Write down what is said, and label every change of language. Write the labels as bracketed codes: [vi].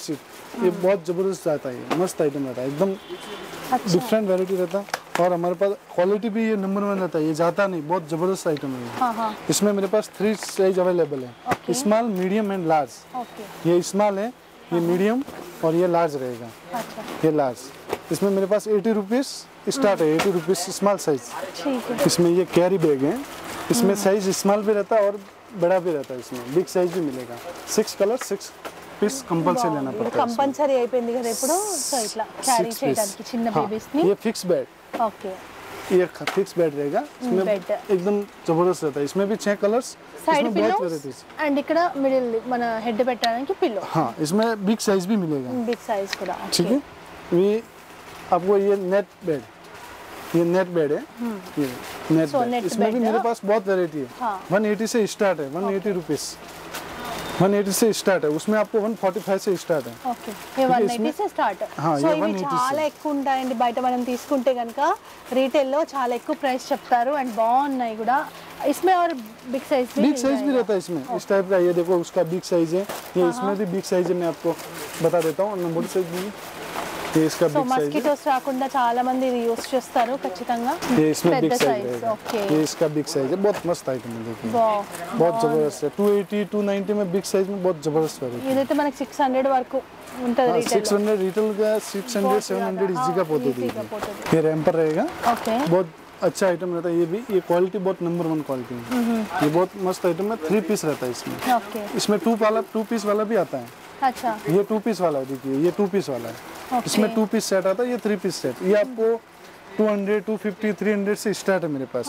[hi] Sheet ये बहुत जबरदस्त आता है मस्त आइटम रहता है एकदम डिफरेंट वैरायटी रहता है और हमारे पास क्वालिटी भी ये नंबर वन रहता है ये जाता नहीं बहुत जबरदस्त आइटम है इसमें मेरे पास 3 साइज अवेलेबल है स्मॉल मीडियम एंड लार्ज ये स्मॉल है ये मीडियम और ये लार्ज रहेगा ये लार्ज इसमें मेरे पास 80 रुपीज स्टार्ट है 80 रुपीज स्मॉल साइज इसमें ये कैरी बैग है इसमें साइज स्मॉल भी रहता है और बड़ा भी रहता है इसमें बिग साइज भी मिलेगा 6 कलर 6 पीस कंपलसरी लेना पड़ता है [te] कंपलसरी అయిపోయింది కదా ఇప్పుడు సో ఇట్లా క్యారీ చేయడానికి చిన్న బేబీస్ ని [hi] ये फिक्स बेड ఓకే ये फिक्स बेड रहेगा इसमें एकदम जबरदस्त रहता है इसमें भी 6 कलर्स [en] side pillow and [te] ఇక్కడ మిడిల్ మన హెడ్ పెట్టడానికి పిల్లో [hi] हां इसमें बिग साइज भी मिलेगा [en] big size కూడా [hi] ठीक है ये आपको ये नेट बेड ये नेट बेड है ये नेट बेड इसमें भी मेरे पास बहुत वैरायटी है 180 से स्टार्ट है 180 रुपीस 180 से स्टार्ट है उसमें आपको 145 से स्टार्ट है ओके ये 180 से स्टार्ट हां ये 180 से చాలా ఎక్కువ ఉంటాయండి బయట మనం తీసుకుంటే గనుక రీటైల్ లో చాలా ఎక్కువ ప్రైస్ చెప్తారు అండ్ బాగున్నాయి కూడా इसमें और बिग साइज भी रहता है इसमें इस टाइप का ये देखो उसका बिग साइज है ये इसमें भी बिग साइज है मैं आपको बता देता हूं नंबर से भी ये इसका बिग साइज है मस्किटो స్రాకుండా చాలా మంది ఇది యూస్ చేస్తారు ఖచ్చితంగా ये इसमें बिग साइज है ओके ये इसका बिग साइज है बहुत मस्त आइटम है देखिए वाह बहुत जबरदस्त है 280 290 में बिग साइज में बहुत जबरदस्त है [te] ये देते मन 600 वरक ఉంటది రీటైల్ 600 రీటైల్ గా 600 700 ఈజీ గా పోతది [hi] ये रैंपर रहेगा ओके बहुत अच्छा आइटम रहता है ये भी ये क्वालिटी बहुत नंबर वन क्वालिटी है ये बहुत मस्त आइटम है 3 पीस रहता है इसमें ओके इसमें टू पीस वाला भी आता है अच्छा ये 2 पीस वाला है देखिए ये 2 पीस वाला है okay. इसमें 2 पीस सेट आता है ये 3 पीस सेट ये आपको 200 250 300 से स्टार्ट है मेरे पास